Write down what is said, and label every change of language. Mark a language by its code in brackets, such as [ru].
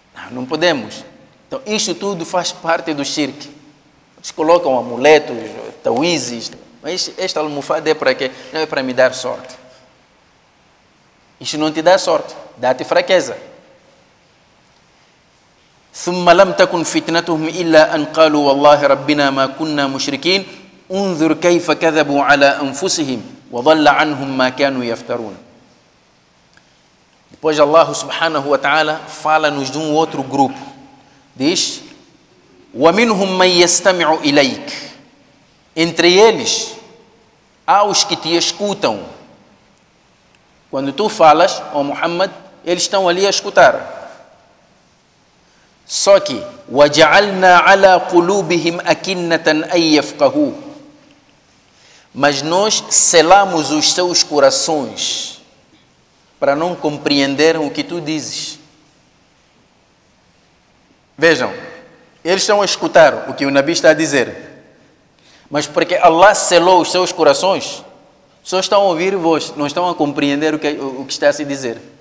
[pt] Não podemos. Então, isto tudo faz parte do shirk. Eles colocam amuletos, tawizes, mas esta almofada é para quê? Não é para me dar sorte. Isto não te dá sorte, dá-te fraqueza. [ar] ثم لم تكن فتنتهم إلا أن قالوا والله ربنا ما كنا مشركين انظر كيف كذبوا على أنفسهم وضل عنهم ما كانوا يفترون. [pt] Depois Allah subhanahu wa ta'ala fala-nos de um outro grupo. [ar] Diz, وَمِنْهُمْ مَنْ يَسْتَمِعُ إِلَيْكَ. [pt] Entre eles, há os que te escutam. Quando tu falas, ó Muhammad, eles estão ali a escutar. Só que, [ar] وَجَعَلْنَا عَلَىٰ قُلُوبِهِمْ أَكِنَّةً أَنْ يَفْقَهُوا. [pt] Mas nós selamos os seus corações para não compreenderem o que tu dizes. Vejam, eles estão a escutar o que o Nabi está a dizer. Mas porque Allah selou os seus corações, só estão a ouvir vós, não estão a compreender o que está a se dizer.